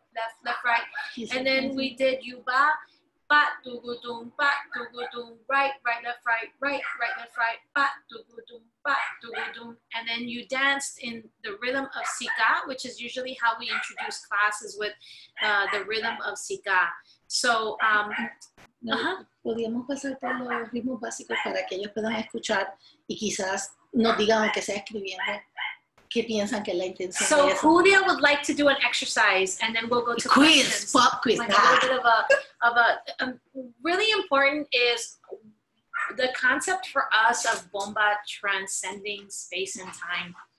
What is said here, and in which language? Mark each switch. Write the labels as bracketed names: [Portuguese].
[English] Left, left, right. And then we did yuba, ba, du, gu, dum, ba, du, gu, dum, right, right, left, right, right, right, left, right, ba, du, gu, dum, ba, du, gu, dum. And then you danced in the rhythm of sika, which is usually how we introduce classes with the rhythm of sika. So, [Spanish] podríamos pasar por los ritmos básicos para que ellos puedan escuchar y quizás nos digan aunque sea escribiendo. ¿Qué piensan que la intención so es? [English] Julia would like to do an exercise, and then we'll go to quiz, pop quiz. Like a little bit of a really important is the concept for us of bomba transcending space and time.